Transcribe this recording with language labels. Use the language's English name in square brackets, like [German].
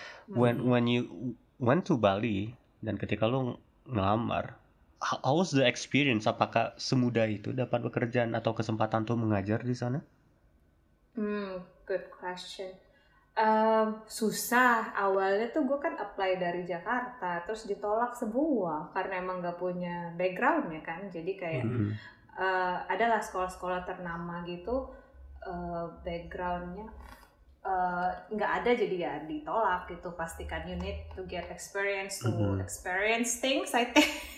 [English] When you went to Bali [Indonesian] dan ketika lo ngelamar, [English] how was the experience? [Indonesian] Apakah semudah itu dapat pekerjaan atau kesempatan tuh mengajar di sana? [English] Good question. [Indonesian] Susah awalnya tuh gue kan apply dari Jakarta terus ditolak semua karena emang gak punya backgroundnya kan, jadi kayak adalah sekolah-sekolah ternama gitu backgroundnya nggak ada, jadi ya ditolak gitu. [English] Pastikan you need to get experience to experience things, I think.